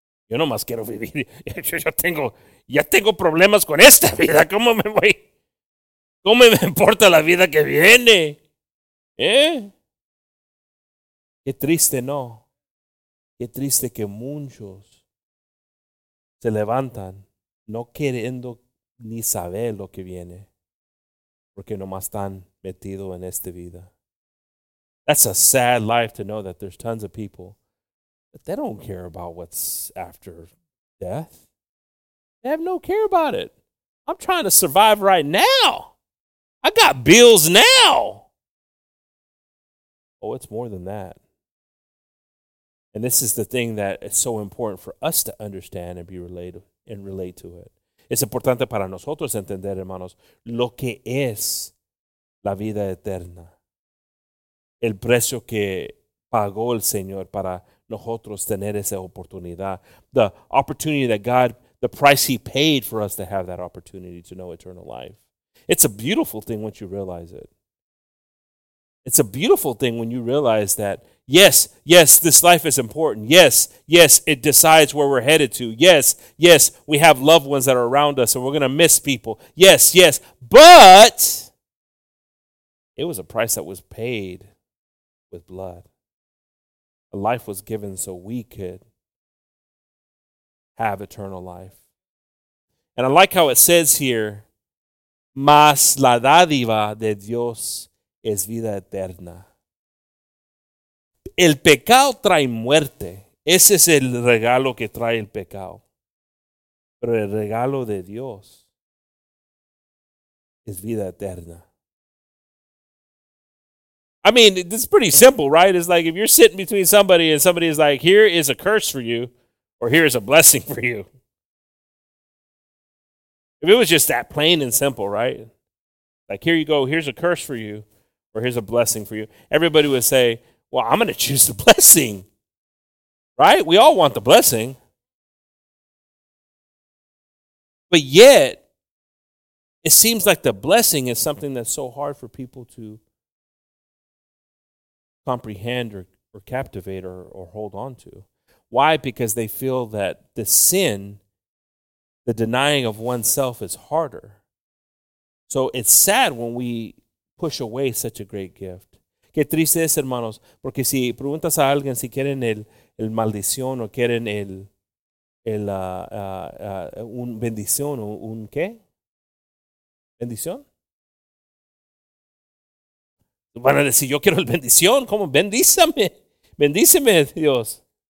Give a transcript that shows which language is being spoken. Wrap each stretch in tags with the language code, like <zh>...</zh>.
<es>Yo nomás quiero vivir, ya tengo problemas con esta vida, ¿cómo me importa la vida que viene? ¿Eh? Qué triste, ¿no? Qué triste que muchos se levantan no queriendo ni saber lo que viene, porque nomás están metidos en esta vida.</es> <en>That's a sad life to know that there's tons of people, but they don't care about what's after death. They have no care about it. I'm trying to survive right now. I got bills now. Oh, it's more than that. And this is the thing that is so important for us to understand and be related and relate to it. Es importante para nosotros entender, hermanos, lo que es la vida eterna. El precio que pagó el Señor para nosotros tener esa oportunidad. The opportunity that God, the price he paid for us to have that opportunity to know eternal life. It's a beautiful thing once you realize it. It's a beautiful thing when you realize that, yes, yes, this life is important. Yes, yes, it decides where we're headed to. Yes, yes, we have loved ones that are around us and we're going to miss people. Yes, yes, but it was a price that was paid with blood. A life was given so we could have eternal life. And I like how it says here,</en> <es>mas la dádiva de Dios es vida eterna. El pecado trae muerte. Ese es el regalo que trae el pecado. Pero el regalo de Dios es vida eterna.</es> <en>I mean, it's pretty simple, right? It's like if you're sitting between somebody and somebody is like, here is a curse for you, or here is a blessing for you. If it was just that plain and simple, right? Like, here you go, here's a curse for you, or here's a blessing for you. Everybody would say, well, I'm going to choose the blessing, right? We all want the blessing. But yet, it seems like the blessing is something that's so hard for people to comprehend or captivate or hold on to. Why? Because they feel that the sin, the denying of oneself, is harder. So it's sad when we push away such a great gift.</en> <es>Qué triste es, hermanos, porque si preguntas a alguien si quieren el maldición o quieren un bendición o un qué? ¿Bendición? Van a decir, yo quiero el bendición, ¿cómo? Bendíceme, Dios.</es>